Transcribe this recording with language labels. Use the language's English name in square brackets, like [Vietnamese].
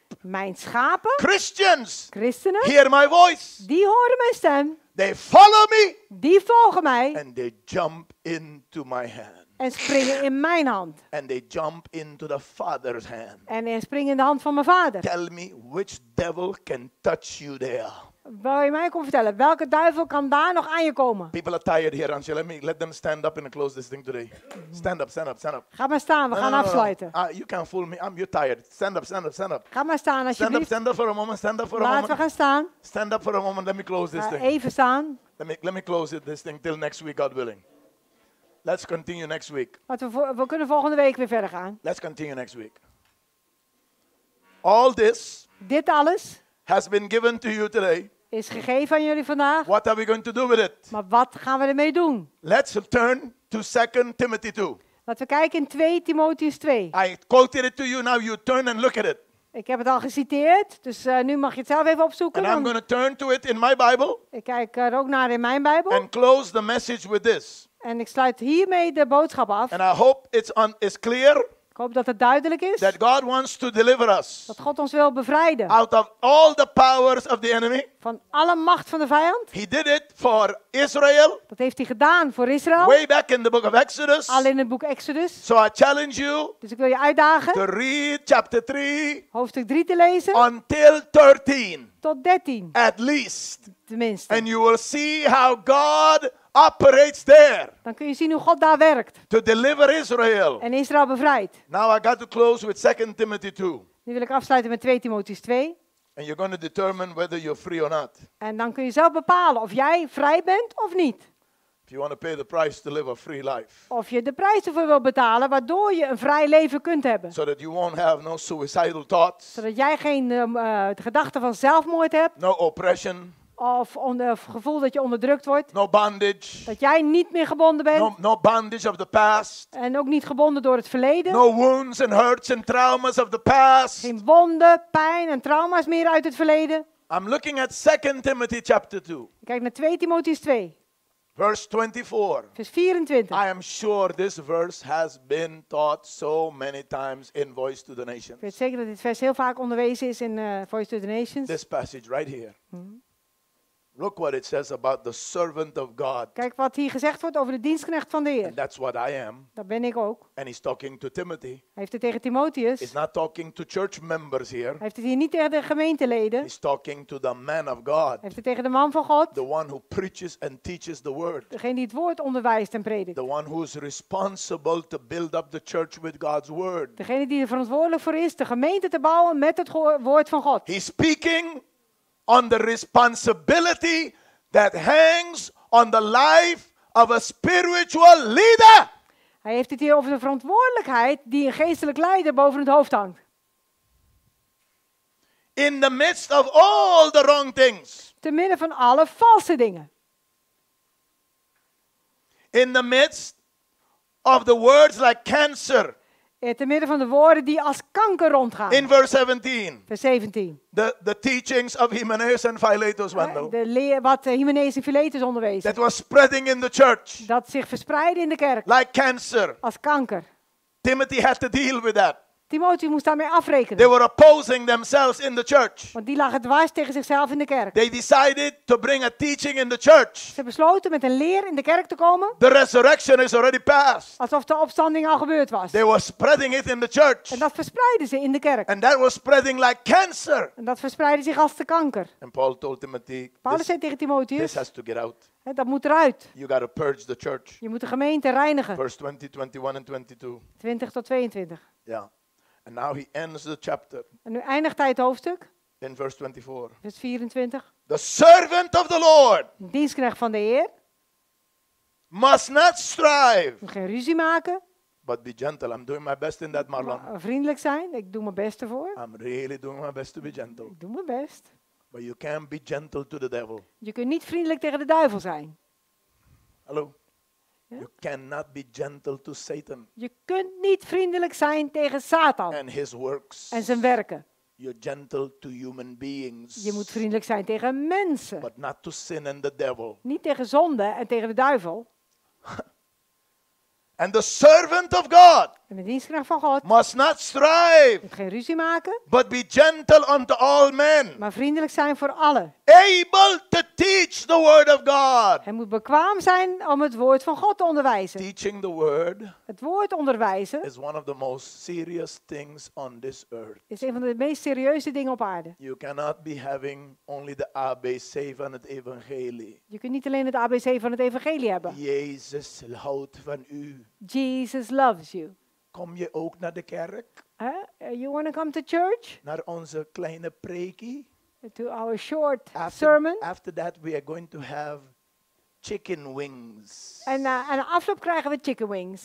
[Dutch] Mijn schapen. [English] Christians. [Dutch] Christenen. [English] Hear my voice. [Dutch] Die horen mijn stem. [English] They follow me. [Dutch] Die volgen mij. [English] And they jump into my hand. [Dutch] En springen in mijn hand. [English] And they jump into the Father's hand. [Dutch] En springen in de hand van mijn vader. [English] Tell me which devil can touch you there. [Dutch] Wil je mij komen vertellen, welke duivel kan daar nog aan je komen? [English] People are tired here, Angela. Let them stand up and close this thing today. Stand up. [Dutch] Ga maar staan, we gaan afsluiten. [English] You can't fool me, you're tired. Stand up. [Dutch] Ga maar staan, alsjeblieft. [English] Stand up for a moment. [Dutch] Laten we gaan staan. [English] Stand up for a moment, let me close this thing. [Dutch] Even staan. [English] Let me close this thing till next week, God willing. Let's continue next week. [Dutch] We kunnen volgende week weer verder gaan. [English] Let's continue next week. All this. [Dutch] Dit alles. [English] Has been given to you today. [Dutch] Is gegeven aan jullie vandaag. [English] What are we going to do with it? [Dutch] Maar wat gaan we ermee doen? [English] Let's turn to 2 Timothy 2. [Dutch] Laten we kijken in 2 Timotheus 2. [English] I quoted it to you, now you turn and look at it. [Dutch] Ik heb het al geciteerd, dus nu mag je het zelf even opzoeken. [English] And I'm going to turn to it in my Bible. [Dutch] Ik kijk er ook naar in mijn Bijbel. [English] And close the message with this. [Dutch] En ik sluit hiermee de boodschap af. [English] And I hope it's clear. [Dutch] Ik hoop dat het duidelijk is. [English] That God wants to deliver us. [Dutch] Dat God ons wil bevrijden. [English] Out of all the powers of the enemy. [Dutch] Van alle macht van de vijand. [English] He did it for Israel. [Dutch] Dat heeft hij gedaan voor Israël. [English] Way back in the book of Exodus. [Dutch] Al in het boek Exodus. [English] So I challenge you. [Dutch] Dus ik wil je uitdagen. [English] To read chapter 3. [Dutch] Hoofdstuk 3 te lezen. [English] Until 13. [Dutch] Tot 13. [English] At least. [Dutch] Tenminste. [English] And you will see how God operates there. [Dutch] Dan kun je zien hoe God daar werkt. [English] To deliver Israel. [Dutch] En Israël bevrijdt. [English] Now I got to close with 2 Timothy 2. [Dutch] Nu wil ik afsluiten met 2 Timotheus 2. [English] And you're going to determine whether you're free or not. [Dutch] En dan kun je zelf bepalen of jij vrij bent of niet. [English] If you want to pay the price to live a free life. [Dutch] Of je de prijs ervoor wil betalen waardoor je een vrij leven kunt hebben. [English] So that you won't have no suicidal thoughts. [Dutch] Zodat jij geen gedachten van zelfmoord hebt. [English] No oppression. [Dutch] Of het gevoel dat je onderdrukt wordt. [English] No bondage. [Dutch] Dat jij niet meer gebonden bent. [English] No bondage of the past. [Dutch] En ook niet gebonden door het verleden. [English] No wounds and hurts and traumas of the past. [Dutch] Geen wonden, pijn en trauma's meer uit het verleden. [English] I'm looking at 2 Timothy chapter 2. [Dutch] Ik kijk naar 2 Timotheus 2. [English] Verse 24. [Dutch] Vers 24. [English] I am sure this verse has been taught so many times in Voice to the Nations. [Dutch] Ik weet zeker dat dit vers heel vaak onderwezen is in Voice to the Nations. [English] This passage right here. Look what it says about the servant of God. [Dutch] Kijk wat hier gezegd wordt over de dienstknecht van de Heer. [English] And that's what I am. [Dutch] Dat ben ik ook. [English] And he's talking to Timothy. [Dutch] Hij heeft het tegen Timotheus. [English] He's not talking to church members here. [Dutch] Hij heeft het hier niet tegen de gemeenteleden. [English] He's talking to the man of God. [Dutch] Hij heeft het tegen de man van God. [English] The one who preaches and teaches the word. [Dutch] Degene die het woord onderwijst en predikt. [English] The one who is responsible to build up the church with God's word. [Dutch] Degene die er verantwoordelijk voor is de gemeente te bouwen met het woord van God. [English] He's speaking on the responsibility that hangs on the life of a spiritual leader. [Dutch] Hij heeft het hier over de verantwoordelijkheid die een geestelijk leider boven het hoofd hangt. [English] In the midst of all the wrong things. [Dutch] Te midden van alle valse dingen. [English] In the midst of the words like cancer. [Dutch] Te midden van de woorden die als kanker rondgaan. [English] In verse 17. [Dutch] Vers 17. [English] The teachings of Hymenaeus and Philetus Wendell. [Dutch] Wat Hymenaeus en Philetus onderwezen. [English] That was spreading in the church. [Dutch] Dat zich verspreidde in de kerk. [English] Like cancer. [Dutch] Als kanker. [English] Timothy had to deal with that. [Dutch] Timotheus moest daarmee afrekenen. [English] They were opposing themselves in the church. [Dutch] Want die lagen dwars tegen zichzelf in de kerk. [English] They decided to bring a teaching in the church. [Dutch] Ze besloten met een leer in de kerk te komen. [English] The resurrection is already passed. [Dutch] Alsof de opstanding al gebeurd was. [English] They were spreading it in the church. [Dutch] En dat verspreidden ze in de kerk. [English] And that was spreading like cancer. [Dutch] En dat verspreidde zich als de kanker. [English] And Paul told Timothy, [Dutch] Paulus zei tegen Timotheus, [English] this has to get out. [Dutch] Dat moet eruit. [English] You gotta purge the church. [Dutch] Je moet de gemeente reinigen. [English] Verse 20, 21 and 22. [Dutch] 20 tot 22. [English] Ja. Yeah. And now he ends the chapter. [Dutch] En nu eindigt hij het hoofdstuk. [English] In verse 24. [Dutch] Vers 24. [English] The servant of the Lord. [Dutch] De dienstknecht van de Heer. [English] Must not strive. [Dutch] Moet geen ruzie maken. [English] But be gentle. I'm doing my best in that, Marlon. [Dutch] Maar vriendelijk zijn. Ik doe mijn best ervoor. [English] I'm really doing my best to be gentle. [Dutch] Ik doe mijn best. [English] But you can't be gentle to the devil. [Dutch] Je kunt niet vriendelijk tegen de duivel zijn. [English] Hallo. You cannot be gentle to Satan. [Dutch] Je kunt niet vriendelijk zijn tegen Satan. [English] And his works. [Dutch] En zijn werken. [English] You're gentle to human beings. [Dutch] Je moet vriendelijk zijn tegen mensen. [English] But not to sin and the devil. [Dutch] Niet tegen zonde en tegen de duivel. [English] And the servant of God. [Dutch] En de dienstknecht van God. [English] Must not strive. [Dutch] Geen ruzie maken. [English] But be gentle unto all men. [Dutch] Maar vriendelijk zijn voor allen. [English] Able to teach the word of God. [Dutch] Hij moet bekwaam zijn om het woord van God te onderwijzen. [English] Teaching the word. [Dutch] Het woord onderwijzen. [English] Is one of the most serious things on this earth. [Dutch] Is een van de meest serieuze dingen op aarde. [English] You cannot be having only the ABC [Dutch] van het evangelie. Je kunt niet alleen het ABC van het evangelie hebben. Jezus houdt van u. [English] Jesus loves you. [Dutch] Kom je ook naar de kerk? [English] You want to come to church? [Dutch] Naar onze kleine preekie? [English] To our short sermon? After that we are going to have chicken wings. [Dutch] En afloop krijgen we chicken wings.